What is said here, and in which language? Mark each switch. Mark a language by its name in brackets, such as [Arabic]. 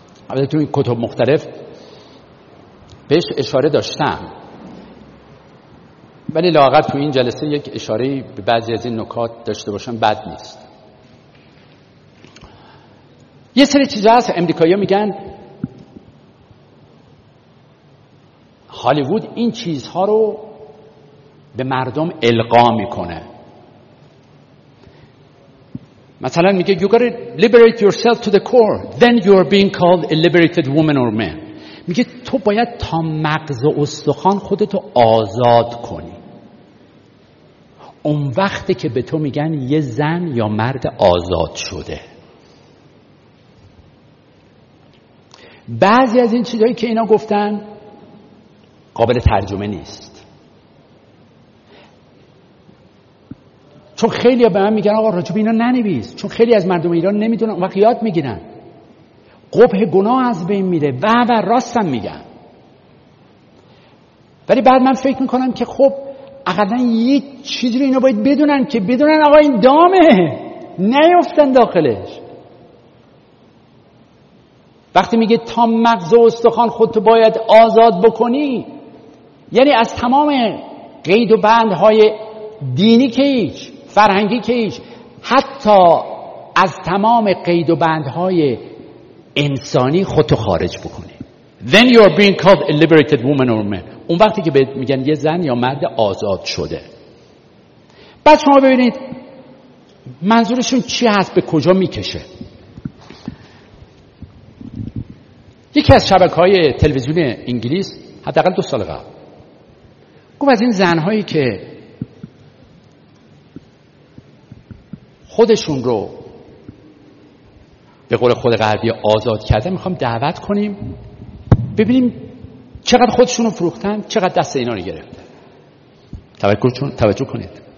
[Persian] البته تو این کتب مختلف بهش اشاره داشتم، ولی لااقل تو این جلسه یک اشاره به بعضی از این نکات داشته باشم بد نیست. یه سری چیزا هست امریکایی‌ها میگن هالیوود این چیزها رو به مردم القا میکنه. مثلا میگه [English] you got to liberate yourself to the core then you are being called a liberated woman or man. [Persian] میگه تو باید تا مغز و استخوان خودتو آزاد کنی، اون وقته که به تو میگن یه زن یا مرد آزاد شده. بعضی از این چیزهایی که اینا گفتن قابل ترجمه نیست، چون خیلی ها به من میگن آقا راجب اینا ننویس، چون خیلی از مردم ایران نمیدونن وقتی یاد میگیرن قبح گناه از بین میره و بر راستم میگن. ولی بعد من فکر میکنم که خب اقلا یک چیزی رو اینا باید بدونن که بدونن آقا این دامه نیفتن داخلش. وقتی میگه تا مغز و استخوان خودتو باید آزاد بکنی، یعنی از تمام قید و بندهای دینی که هیچ، فرهنگی که هیچ، حتی از تمام قید و بندهای انسانی خودتو خارج بکنی. [English] Then you are being called a liberated woman or man. [Persian] اون وقتی که بهت میگن یه زن یا مرد آزاد شده. بعد شما ببینید منظورشون چی هست، به کجا میکشه. یکی از شبکه‌های تلویزیون انگلیس حداقل 2 سال قبل گفت از این زن‌هایی که خودشون رو به قول خود غربی آزاد کرده می‌خوام دعوت کنیم ببینیم چقدر خودشون رو فروختن، چقدر دست اینا رو گرفته. توجه کنید